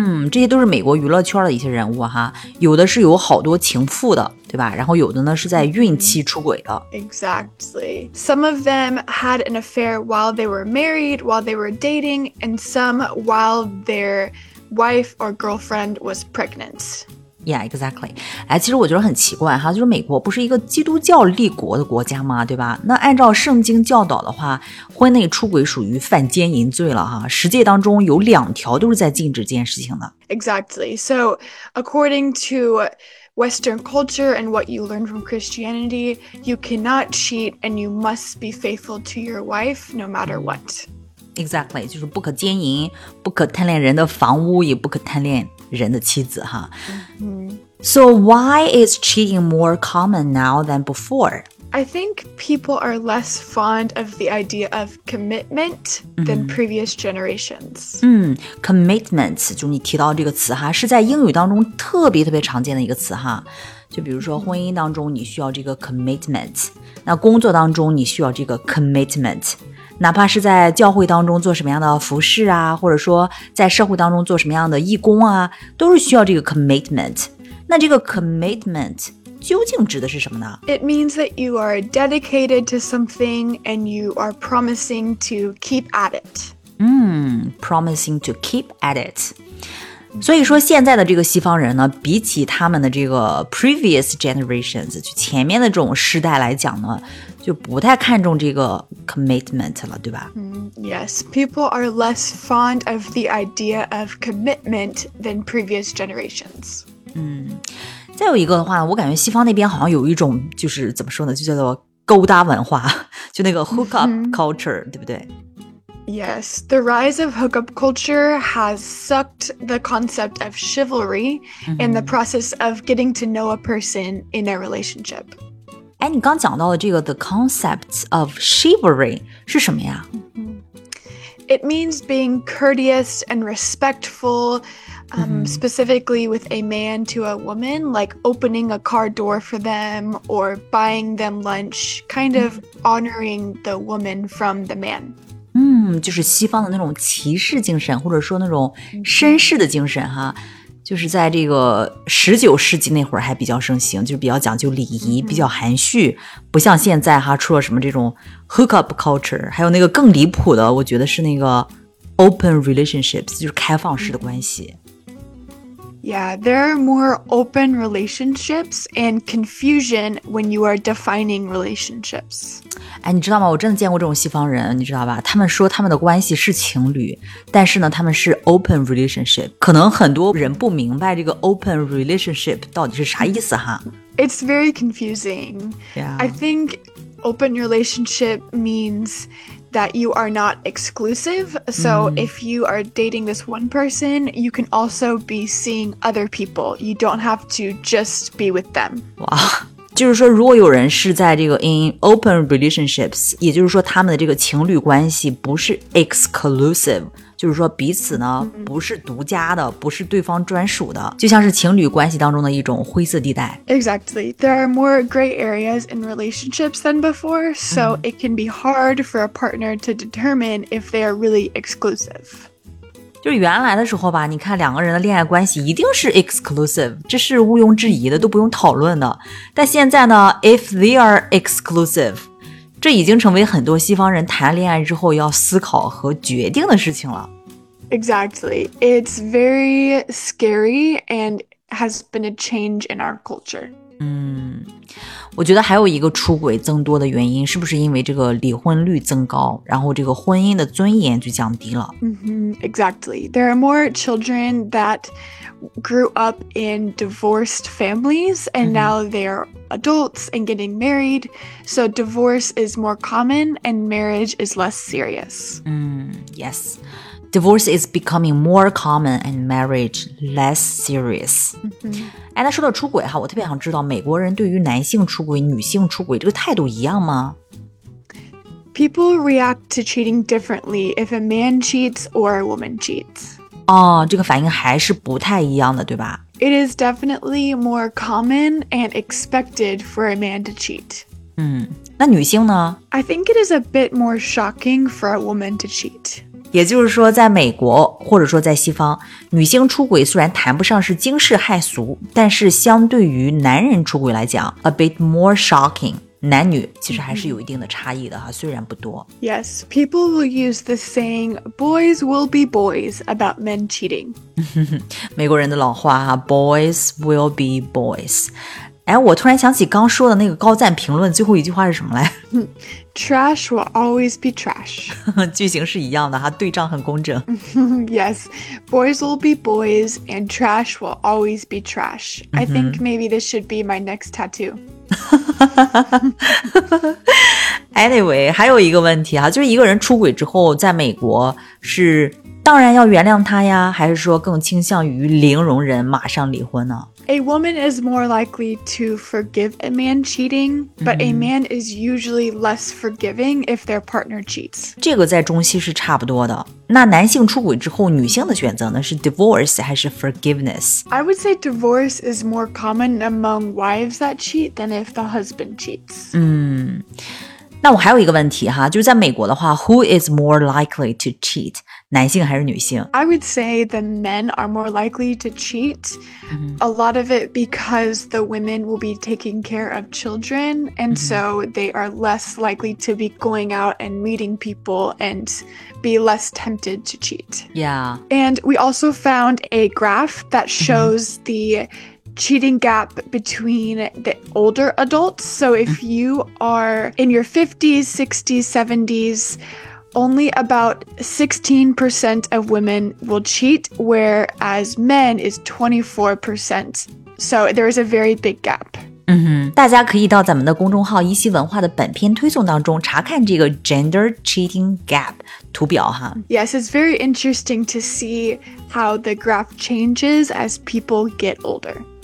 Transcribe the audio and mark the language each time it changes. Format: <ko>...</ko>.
<zh>这些都是美国娱乐圈的一些人物哈。有的是有好多情妇的，对吧？然后有的呢是在孕期出轨的。</zh> <en>Exactly. Some of them had an affair while they were married, while they were dating, and some while their wife or girlfriend was pregnant. Yeah, exactly.</en> <zh>哎，其实我觉得很奇怪哈，就是美国不是一个基督教立国的国家吗？对吧？那按照圣经教导的话，婚内出轨属于犯奸淫罪了哈。十诫当中有两条都是在禁止这件事情的。</zh> <en>Exactly. So, according to Western culture and what you learn from Christianity, you cannot cheat and you must be faithful to your wife no matter what. Exactly.</en> <zh>就是不可奸淫，不可贪恋人的房屋，也不可贪恋人的妻子哈。</zh> <en>So why is cheating more common now than before? I think people are less fond of the idea of commitment than previous generations.</en> <zh>Commitment, 就你提到这个词哈，是在英语当中特别特别常见的一个词哈。就比如说婚姻当中你需要这个 commitment， 那工作当中你需要这个 commitment， 哪怕是在教会当中做什么样的服事啊，或者说在社会当中做什么样的义工啊，都是需要这个 commitment。那这个 commitment究竟指的是什么呢？</zh> <en>It means that you are dedicated to something and you are promising to keep at it. Promising to keep at it.</en> <zh>所以说现在的这个西方人呢，比起他们的这个</zh> <en>previous generations，</en> <zh>就前面的这种世代来讲呢，就不太看重这个 commitment 了，对吧？</zh> <en>Yes, people are less fond of the idea of commitment than previous generations.</en> <zh>再有一个的话，我感觉西方那边好像有一种就是怎么说呢，就叫做勾搭文化，就那个 hookup culture， 对不对？</zh> <en>Yes, the rise of hookup culture has sucked the concept of chivalry in the process of getting to know a person in a relationship.</en> <zh>哎，你刚讲到的这个</zh> <en>the concept of chivalry</en> <zh>是什么呀？</zh> <en>It means being courteous and respectful, specifically with a man to a woman, like opening a car door for them or buying them lunch, kind of honoring the woman from the man.</en> <zh>就是西方的那种骑士精神，或者说那种绅士的精神哈，就是在这个十九世纪那会儿还比较盛行，就比较讲究礼仪，比较含蓄，不像现在哈，出了什么这种 hookup culture， 还有那个更离谱的，我觉得是那个 open relationships， 就是开放式的关系。</zh> <en>Yeah, there are more open relationships and confusion when you are defining relationships.</en> <zh>哎，你知道吗？我真的见过这种西方人，你知道吧？他们说他们的关系是情侣，但是呢，他们是 open relationship. 可能很多人不明白这个 open relationship 到底是啥意思哈。</zh> <en>It's very confusing. Yeah. I think open relationship means... that you are not exclusive. So if you are dating this one person, you can also be seeing other people. You don't have to just be with them. Wow.</en> <zh>就是说如果有人是在这个</zh> <en>in open relationships,</en> <zh>也就是说他们的这个情侣关系不是 exclusive, 就是说彼此呢不是独家的，不是对方专属的，就像是情侣关系当中的一种灰色地带。</zh> <en>Exactly. There are more gray areas in relationships than before, so it can be hard for a partner to determine if they are really exclusive.</en> <zh>就原来的时候吧，你看两个人的恋爱关系一定是 exclusive， 这是毋庸置疑的，都不用讨论的。但现在呢，</zh> <en>if they are exclusive，</en> <zh>这已经成为很多西方人谈恋爱之后要思考和决定的事情了。</zh> <en>Exactly. It's very scary and has been a change in our culture.</en> <zh>我觉得还有一个出轨增多的原因，是不是因为这个离婚率增高，然后这个婚姻的尊严就降低了？</zh> <en>Exactly. There are more children that grew up in divorced families, and now they are adults and getting married. So divorce is more common and marriage is less serious. Yes. Divorce is becoming more common and marriage less serious.</en> <zh>哎，那说到出轨哈，我特别想知道美国人对于男性出轨、女性出轨这个态度一样吗？</zh> <en>People react to cheating differently if a man cheats or a woman cheats.</en> <zh>哦，这个反应还是不太一样的，对吧？</zh> <en>It is definitely more common and expected for a man to cheat.</en> <zh>那女性呢？</zh> <en>I think it is a bit more shocking for a woman to cheat.</en> <zh>也就是说在美国或者说在西方，女性出轨虽然谈不上是惊世骇俗，但是相对于男人出轨来讲</zh> <en>a bit more shocking，</en> <zh>男女其实还是有一定的差异的哈，虽然不多。</zh> <en>Yes, people will use the saying boys will be boys about men cheating.</en> <zh>美国人的老话哈，</zh> <en>boys will be boys。</en> <zh>哎，我突然想起刚说的那个高赞评论最后一句话是什么来？</zh> <en>Trash will always be trash.</en> <zh>句型是一样的哈，对仗很工整。</zh> <en>Yes, boys will be boys and trash will always be trash. I think maybe this should be my next tattoo.</en> <zh>Anyway, 还有一个问题哈，就是一个人出轨之后在美国是当然要原谅他呀，还是说更倾向于零容忍马上离婚呢？</zh> <en>A woman is more likely to forgive a man cheating, but a man is usually less forgiving if their partner cheats.</en> <zh>这个在中西是差不多的。那男性出轨之后，女性的选择呢，是 divorce 还是 forgiveness?</zh> <en>I would say divorce is more common among wives that cheat than if the husband cheats.</en> <zh>那我还有一个问题哈，就是在美国的话 ，</zh> <en>who is more likely to cheat？</en> <zh>男性还是女性</zh> <en>？I would say the men are more likely to cheat. A lot of it because the women will be taking care of children, and so they are less likely to be going out and meeting people and be less tempted to cheat. Yeah. And we also found a graph that shows the cheating gap between the older adults. So if you are in your 50s, 60s, 70s. Only about 16% of women will cheat, whereas men is 24%. So there is a very big gap.</en> <zh>大家可以到咱们的公众号一席文化的本篇推送当中查看这个 gender cheating gap 图表哈。</zh> <en>Yes, it's very interesting to see how the graph changes as people get older.</en>